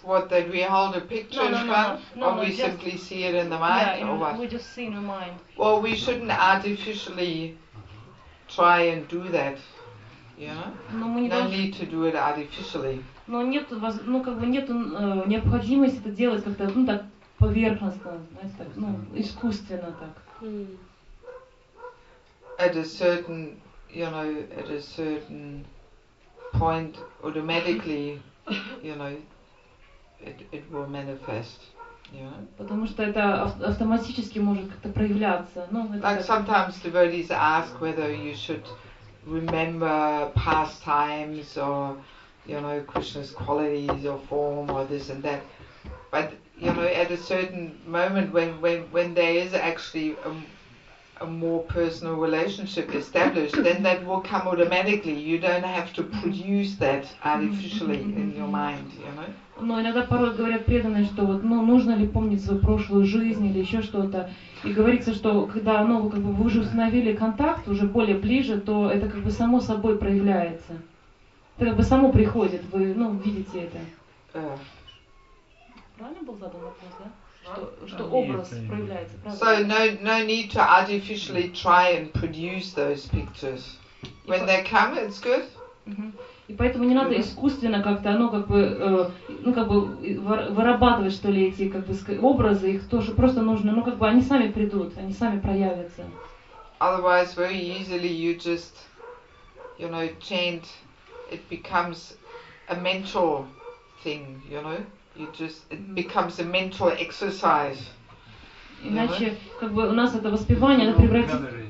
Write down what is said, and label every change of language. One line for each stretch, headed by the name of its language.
English: What, that we hold a picture in front, or we simply see it in the mind, or what? We just see in the mind. Well, we shouldn't artificially try and do that, you know? No need to do it artificially.
Russian: Но нет, ну как бы нет необходимости это делать как-то, ну так поверхностно, знаете, так, ну искусственно так.
English: At a certain, you know, at a certain point, automatically, you know, it will manifest.
Russian: Потому что это автоматически может как-то проявляться. Ну,
English: like sometimes devotees ask whether you should remember past times or, you know, Krishna's qualities or form or this and that. But, you know, at a certain moment when there is actually a more personal relationship established, then that will come automatically. You don't have to produce that artificially in your mind, you know.
Russian: Но иногда порой говорят преданные, что вот, ну, нужно ли помнить свою прошлую жизнь или еще что-то. И говорится, что когда, ну, как бы вы уже установили контакт, уже более ближе, то это как бы само собой проявляется. Это как бы само приходит, вы, ну, видите это. Правильно был задан вопрос, да? Что образ проявляется, правда?
English: So no need to artificially try and produce those pictures. When they come, it's good.
Russian: И поэтому не надо искусственно как-то, ну как бы, ну как бы вырабатывать что ли эти как бы образы, их тоже просто нужно, ну как бы они сами придут, они сами проявятся.
English: Otherwise, very easily you just, you know, chant, it becomes a mental thing, you know, you just, it becomes a mental exercise.
Russian: Иначе, как бы у нас это воспевание, оно превратится.